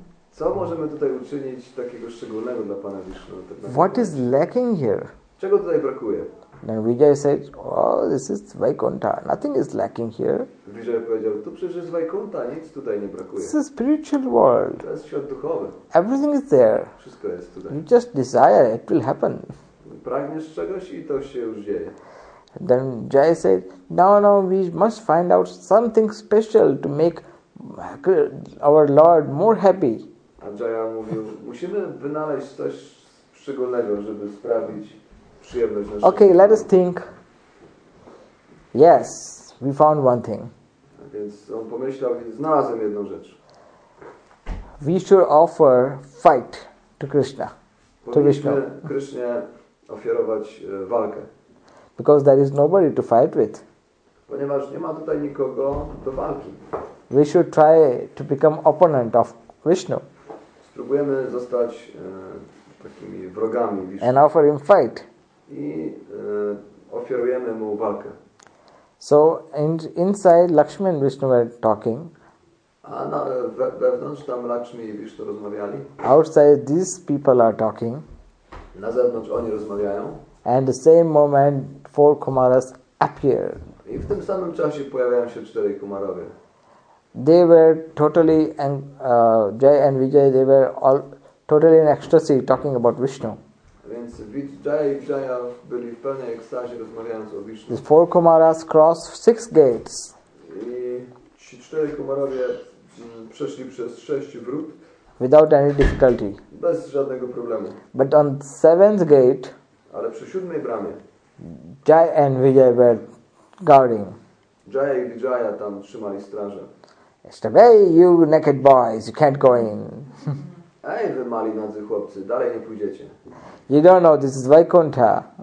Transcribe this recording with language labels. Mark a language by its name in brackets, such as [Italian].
[Polish] Co możemy tutaj uczynić takiego szczególnego dla Pana Vishnu? [English] What is lacking here? [Polish] Czego tutaj brakuje? [English] Then Vijaya said, this is Vaikuntha. Nothing is lacking here. [Polish] Vijaya powiedział, to przecież jest Vaikuntha, nic tutaj nie brakuje. [English] This is a spiritual world. [Polish] To jest świat duchowy. [English] Everything is there. [Polish] Wszystko jest tutaj. [English] You just desire, it will happen. [Polish] pragniesz czegoś i to się już dzieje. [English] Then Jay said, no, we must find out something special to make our Lord more happy. [Polish] A Jaya mówił, musimy wynaleźć coś szczególnego, żeby sprawić przyjemność naszego. [English] Okay, let us think. Yes, we found one thing. [Polish] A więc on pomyślał, więc znalazłem jedną rzecz. [English] We should offer fight to Krishna. [Polish] Powinniśmy Krishnie ofiarować walkę. [English] Because there is nobody to fight with. [Polish] Ponieważ nie ma tutaj nikogo do walki. [English] We should try to become opponent of Vishnu. [Polish] Spróbujemy zostać takimi wrogami Vishnu. [English] And offer him fight. [Polish] I ofiarujemy mu walkę. [English] So inside Lakshmi and Vishnu were talking. [Polish] A na wewnątrz tam Lakshmi i Vishnu rozmawiali. [English] Outside these people are talking. [Polish] Na zewnątrz oni rozmawiają. [English] And the same moment four Kumaras appear. [Polish] I w tym samym czasie pojawiają się cztery Kumarowie. [English] They were totally Jay and Vijay, they were all totally in ecstasy talking about Vishnu. [Polish] Więc Jay i Vijaya byli w pełnej ekstazie rozmawiając o Vishnu. [English] The four Kumaras crossed six gates. [Polish] I ci cztery Kumarowie przeszli przez sześć wrót. [English] Without any difficulty. [Polish] Bez żadnego problemu. [English] But on the seventh gate. [Polish] Ale przy siódmej bramie. [English] Jay and Vijay were guarding. [Polish] Jay i Vijaya tam trzymali strażę. [English] Hey, you naked boys, you can't go in. [Polish] Ej, wy mali nadzy chłopcy, dalej nie pójdziecie. [English] You don't know, this is Vaikuntha.